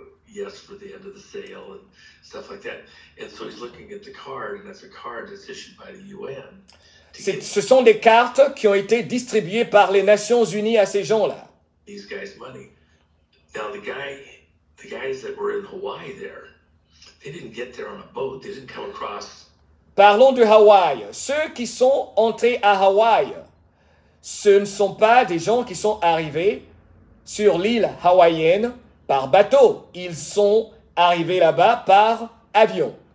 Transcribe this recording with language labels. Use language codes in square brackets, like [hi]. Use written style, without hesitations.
[en] Yes, for the end of the sale and stuff like that. And so he's looking at the card, and that's a card that's issued by the UN. [fr] Ce sont des cartes qui ont été distribuées par les Nations Unies à ces gens-là. [en] These guys' money. Now the guys that were in Hawaii there, they didn't get there on a boat. They didn't come across. [fr] Parlons de Hawaï. Ceux qui sont entrés à Hawaï, ce ne sont pas des gens qui sont arrivés sur l'île hawaïenne. Par bateau, ils sont arrivés là-bas par avion.